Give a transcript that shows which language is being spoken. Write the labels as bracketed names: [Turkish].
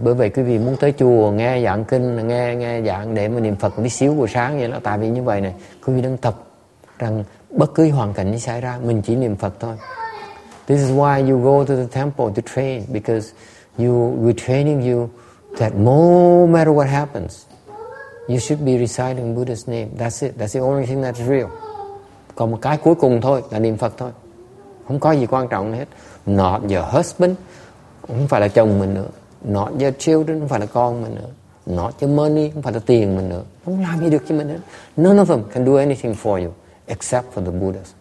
[Vietnamese] Bởi vậy quý vị muốn tới chùa nghe giảng kinh, nghe giảng để mà niệm Phật một tí xíu buổi sáng vậy đó. Tại vì như vậy này, quý vị đang tập rằng bất cứ hoàn cảnh gì xảy ra, mình chỉ niệm Phật thôi. [English] This is why you go to the temple to train, because we're training you. That no matter what happens, you should be reciting Buddha's name. That's it. That's the only thing that's real. [Vietnamese] Còn một cái cuối cùng thôi là niệm Phật thôi. Không có gì quan trọng hết. [English] Not your husband, [Vietnamese] không phải là chồng mình nữa. [English] Not your children, [Vietnamese] không phải là con mình nữa. [English] Not your money, [Vietnamese] không phải là tiền mình nữa. Không làm gì được cho mình hết. [English] None of them can do anything for you except for the Buddha.